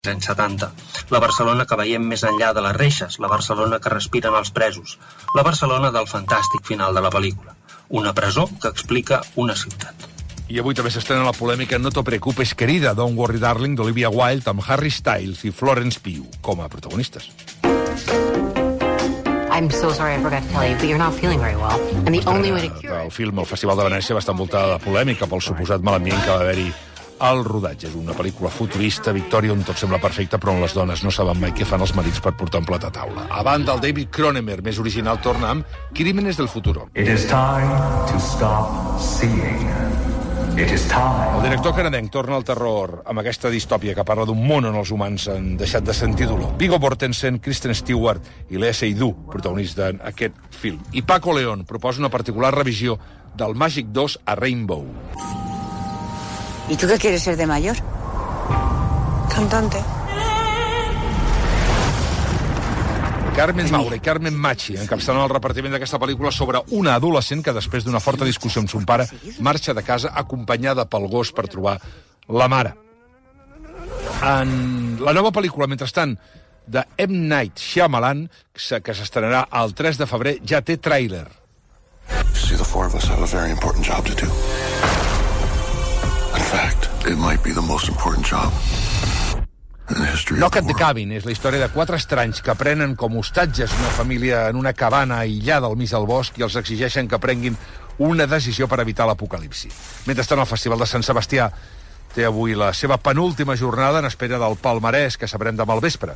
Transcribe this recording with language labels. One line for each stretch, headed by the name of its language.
Catalan: anys 70, la Barcelona que veiem més enllà de les reixes, la Barcelona que respiren els presos, la Barcelona del fantàstic final de la pel·lícula, una presó que explica una ciutat. I avui també s'estrena la polèmica No te preocupes, querida, Don't Worry Darling, d'Olivia Wilde, amb Harry Styles i Florence Pugh com a protagonistes.
English: I'm so sorry, I forgot to tell you, but you're not feeling very well. And the only way to cure...
Catalan: El film, el Festival de Venècia, va estar envoltada de polèmica pel suposat mal ambient que va haver-hi al rodatge d'una pel·lícula futurista, Victòria, on tot sembla perfecte, però on les dones no saben mai què fan els marits per portar un plat a taula. A banda, el David Cronenberg més original torna amb Crímenes del Futuro.
English: It is time to stop seeing. It is time.
Catalan: El director canadenc torna al terror amb aquesta distòpia que parla d'un món on els humans han deixat de sentir dolor. Viggo Mortensen, Kristen Stewart i Lea Seydoux protagonitzen aquest film. I Paco León proposa una particular revisió del Màgic 2 a Rainbow.
Spanish: ¿Y tú qué quieres ser de mayor? Cantante.
Catalan: Carmen Maura i Carmen Machi encapçalen el repartiment d'aquesta pel·lícula sobre una adolescent que, després d'una forta discussió amb son pare, marxa de casa acompanyada pel gos per trobar la mare. En la nova pel·lícula, mentrestant, de M. Night Shyamalan, que s'estrenarà el 3 de febrer, ja té tràiler.
English: See, the four of us have a very important job to do. In fact, it might be the most important job in the history.
Catalan: Knock at the Cabin és la història de quatre estranys que prenen com hostatges una família en una cabana aïllada al mig del bosc i els exigeixen que prenguin una decisió per evitar l'apocalipsi. Mentrestant, el Festival de Sant Sebastià té avui la seva penúltima jornada en espera del palmarès que sabrem demà al vespre.